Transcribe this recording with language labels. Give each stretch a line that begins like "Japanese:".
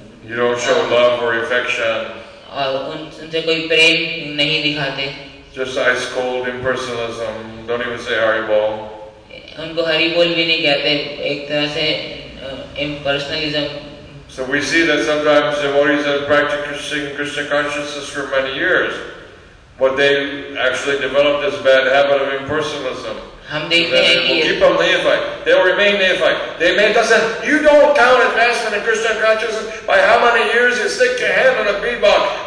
English: you don't show love or affection.
Hindi: और उनसे कोई प्रेम नहीं दिखाते.
English: Just ice cold impersonalism, don't even say Hari Bol.
Hindi: उनको Hari Bol भी नहीं कहते, एक तरह से impersonalism.
English: So we see that sometimes devotees have practiced Krishna consciousness for many years, but they actually developed this bad habit of impersonalism. They'll remain neophyte. They may doesn't. You don't count advancement in Krishna consciousness by how many years you stick your hand on a beatbox.